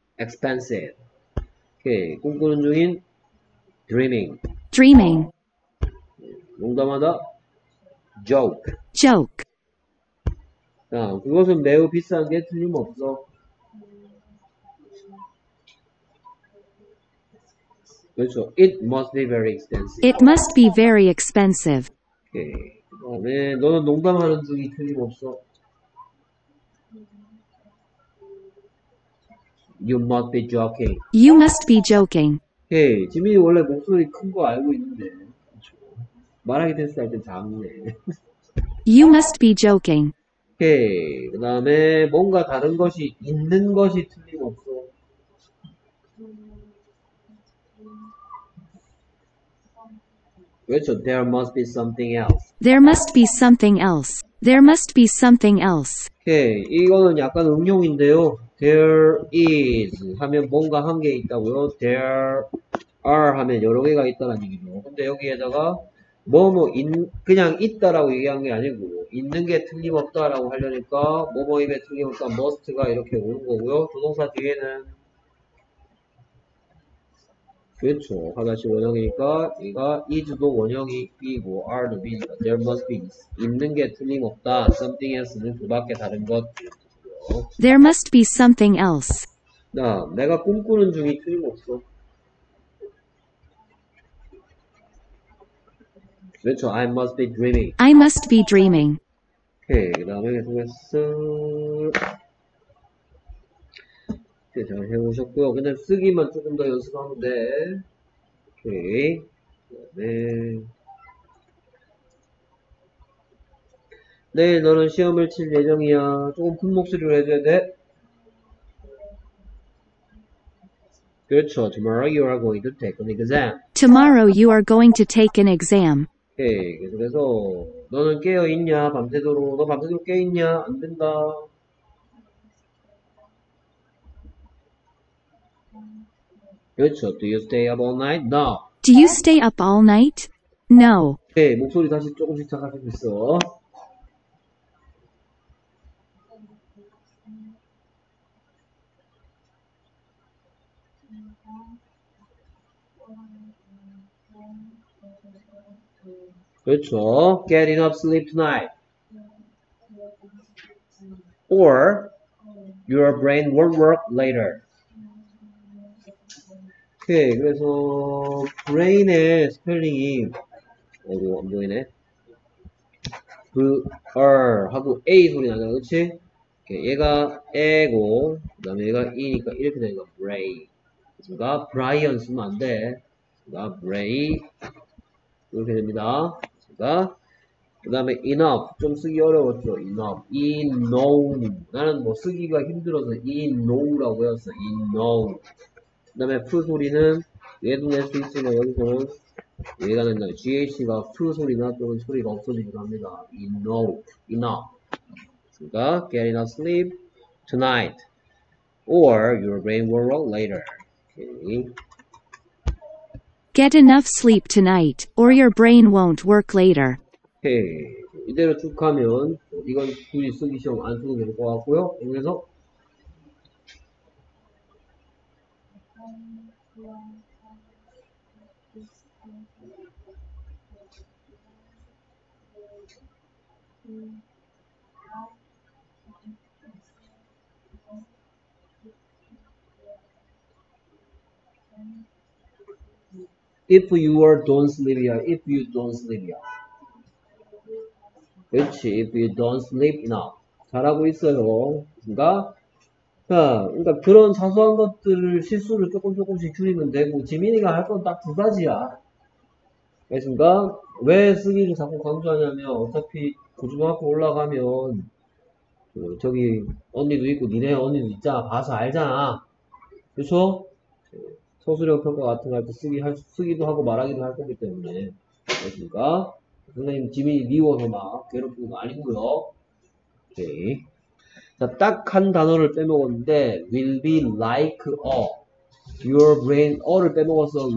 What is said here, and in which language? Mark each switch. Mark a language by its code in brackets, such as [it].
[en] Expensive. 오케이. [ko] 꿈꾸는 중인 dreaming. [en] dreaming. [ko] 농담하다. joke. [en] joke. [ko] 자, 그것은 매우 비싼 게 틀림없어. [en] it must be very expensive. it must be very expensive. [ko] 네, 너는 농담하는 중이 틀림없어. [en] you must be joking. you must be joking. [ko] 오케이. 지민이 원래 목소리 큰 거 알고 있는데 그쵸? 말하기 됐을 때 작네. [en] You must be joking. [ko] 오케이. 그 다음에 뭔가 다른 것이 있는 것이 틀림없어. [en] There must be something else. There must be something else. There must be something else. [ko] 오케이. 이거는 약간 응용인데요. There is 하면 뭔가 한 게 있다고요. There are 하면 여러 개가 있다는 얘기죠. 근데 여기에다가 뭐뭐 그냥 있다라고 얘기한 게 아니고 있는 게 틀림없다라고 하려니까 뭐뭐임에 틀림없다 must가 이렇게 오는 거고요. 조동사 뒤에는 그렇죠. 하나씩 원형이니까 얘가 is도 원형이 B고 are도 B니까 [en] there must be [ko] 있는 게 틀림없다. Something else는 그 밖에 다른 것. [en] There must be something else. [ko] 나 내가 꿈꾸는 중이 틀림없어. 그렇죠. [en] I must be dreaming. I must be dreaming. [ko] 오케이. 그 다음에 계속했어. 네, 잘 해오셨고요. 그냥 쓰기만 조금 더 연습하면 돼. 오케이. 네. 네, 너는 시험을 칠 예정이야. 조금 큰 목소리로 해줘야 돼. 그렇죠. [en] Tomorrow you are going to take an exam. Tomorrow you are going to take an exam. [ko] 오케이. 계속해서 너는 깨어 있냐? 밤새도록. 너 밤새도록 깨 있냐? 안 된다. 그렇죠. [en] Do you stay up all night? No. Do you stay up all night? No. [ko] 오케이. 목소리 다시 조금씩 작아지고 있어. 그렇죠. [en] Get enough sleep tonight. Or your brain won't work later. [ko] 오케이, 그래서 brain의 스펠링이 어디가 안 보이네? br 하고 a 소리 나잖아, 그렇지? 얘가 a고, 그다음에 얘가 e니까 이렇게 되는 거 brain. 그래서 brain 쓰면 안 돼. 그러니까 brain 이렇게 됩니다. 그다음에 enough 좀 쓰기 어려웠죠? [en] enough, enough. [ko] 나는 뭐 쓰기가 힘들어서 enough라고 했어. [en] enough. [ko] 그다음에 푸 소리는 얘도 낼수 있으나 여기서는 얘가 된다. GH가 푸 소리나 또는 소리가 없어지기도 합니다. [en] Enough, enough. 그러니까 get enough sleep tonight, or your brain will work later. Get enough sleep tonight, or your brain won't work later. [ko] 오케이. 이대로 쭉 하면 이건 둘이 쓰기 시험 안 쓰는 게될것 같고요. [en] 그래서 If you are don't sleep, yeah. If you don't sleep, yeah. [ko] 그렇지. [en] If you don't sleep enough. [ko] 잘하고 있어요. 그러니까, 그런 사소한 것들을 실수를 조금씩 줄이면 되고, 지민이가 할건딱두 가지야. 알겠습니까? 왜 쓰기를 자꾸 강조하냐면, 어차피 고등학교 올라가면, 저기, 언니도 있고, 니네 언니도 있잖아. 봐서 알잖아. 그래서 서술형 평가 같은 거할때 쓰기도 하고 말하기도 할 거기 때문에. 그러니까 선생님 지민이 미워서 막 괴롭히는 거 아니고요. 오케이. 자, 딱한 단어를 빼먹었는데 [en] will be like a your brain a [ko] 를 빼먹었어.